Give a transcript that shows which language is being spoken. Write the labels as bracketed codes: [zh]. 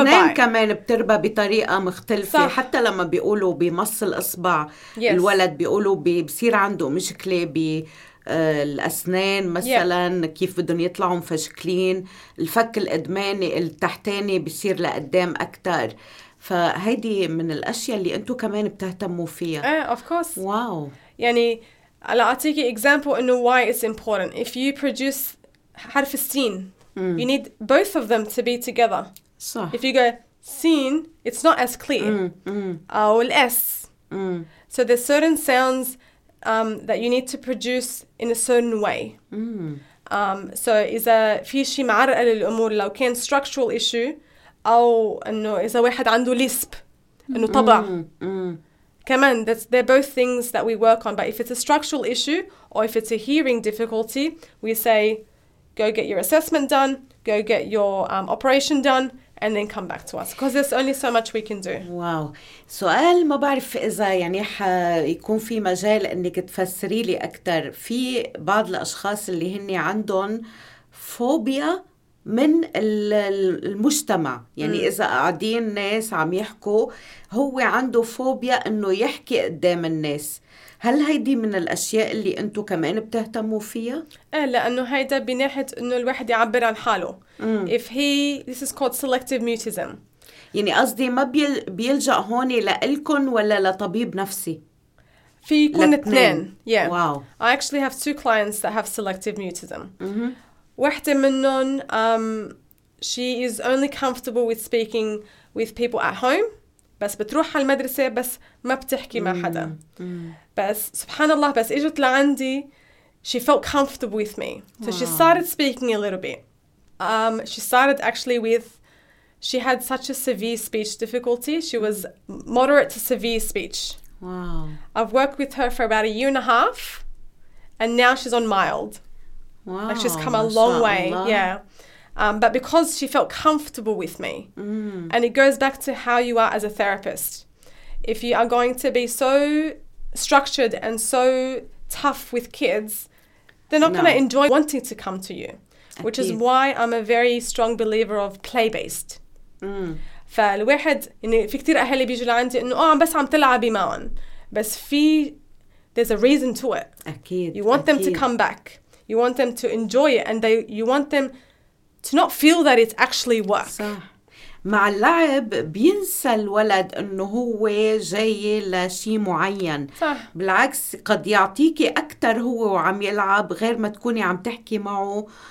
[ar] الأسنان كمان بتربى بطريقة مختلفة. صح. حتى لما بيقولوا بمص الأصبع الولد بيقولوا بيصير عنده مشكلة الأسنان مثلاً كيف بدهم يطلعوا مفشكلين. الفك الإدماني التحتاني بيصير لقدام أكتر. فهيدي من الأشياء اللي أنتوا كمان بتهتموا فيها. [en] Of course. [ar] واو. يعني على أعطيك example إنه why it's important. [en] If you produce حرف السين, you need both of them to be together. [ar] صح. [en] If you go seen, it's not as clear. [ar] أو الإس. [en] So there's certain sounds that you need to produce in a certain way. [ar] So إذا في شيء معرق للأمور لو كان structural issue. [en] أو إنه إذا واحد عنده لسب إنه طبع كمان they're both things that we work on but if it's a structural issue or if it's a hearing difficulty we say go get your assessment done go get your operation done and then come back to us because there's only so much we can do [ar] واو سؤال ما بعرف إذا يعني حيكون في مجال إنك تفسري لي أكتر في بعض الأشخاص اللي هني عندهم فوبيا من المجتمع يعني إذا قاعدين ناس عم يحكوا هو عنده فوبيا إنه يحكي قدام الناس هل هيدي من الأشياء اللي أنتوا كمان بتهتموا فيها؟ لأنه هيدا بناحية إنه الواحد يعبر عن حاله If he, this is called selective mutism يعني قصدي ما بيلجأ هون لألكن ولا لطبيب نفسي؟ في يكون اثنين Yeah [en] wow. I actually have two clients that have selective mutism mm-hmm. واحدة منهم she is only comfortable with speaking with people at home [ar] بس بتروح على المدرسة بس ما بتحكي مع حدا. بس سبحان الله بس إجت لعندي she felt comfortable with me. [en] So wow. she started speaking a little bit. She started actually with, she had such a severe speech difficulty. She was moderate to severe speech. Wow. I've worked with her for about a year and a half and now she's on mild. Wow. Like she's come a long way. Allah. Yeah. But because she felt comfortable with me. And it goes back to how you are as a therapist. If you are going to be so structured and so tough with kids, they're not going to enjoy wanting to come to you. Which is why I'm a very strong believer of play-based. [ar] فالواحد يعني في كتير أهالي بيجوا لعندي إنه عم بس عم تلعبي معهم بس في there's a reason to it. أكيد. [en] You want them to come back. You want them to enjoy it, and they you want them to not feel that it's actually work. [ar] صح. مع اللعب بينسى الولد إنه هو جاي لشيء معين. صح. بالعكس قد يعطيك أكتر هو وعم يلعب غير ما تكوني عم تحكي معه.